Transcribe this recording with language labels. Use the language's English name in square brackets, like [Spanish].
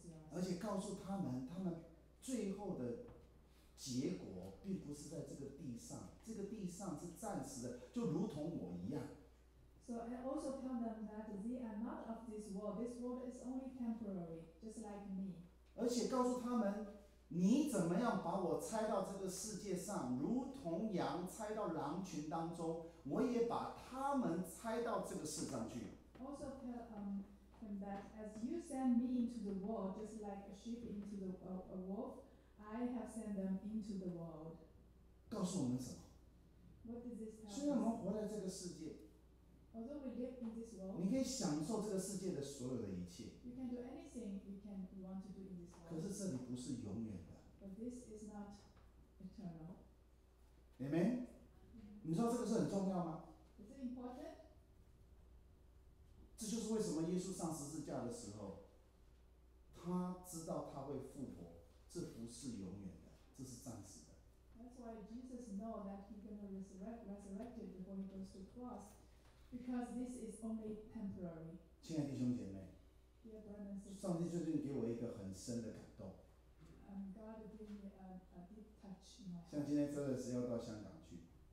[Chinese] 而且告诉他们，他们最后的结果并不是在这个地上，这个地上是暂时的，就如同我一样。 [English] So I also tell them that they are not of this world. This world is only temporary, just like me. [Chinese] 而且告诉他们，你怎么样把我拆到这个世界上，如同羊拆到狼群当中，我也把他们拆到这个世上去。 [English] Also tell them that as you send me into the world, just like a sheep into the a wolf, I have sent them into the world. [Chinese] 告诉我们什么？ [English] What does this tell us? [Chinese] 虽然我们活在这个世界。 [English] Although we live in this world, [Chinese] 你可以享受这个世界的所有的一切。 [English] You can do anything you can you want to do in this world. [Chinese] 可是这里不是永远的。 [English] But this is not eternal. [Chinese] Amen. 你说这个是很重要吗？ [English] Is it important? [Chinese] 这就是为什么耶稣上十字架的时候，他知道他会复活，这不是永远的，这是暂时的。 [English] That's why Jesus knows that he's gonna resurrected before he goes to the cross. Because this is only temporary. [Chinese] 亲爱的弟兄姐妹， [English] Dear brothers, [Chinese] 上帝最近给我一个很深的感动。 [English] God gave me a deep touch in my heart. [Chinese] 像今天真的是要到香港去。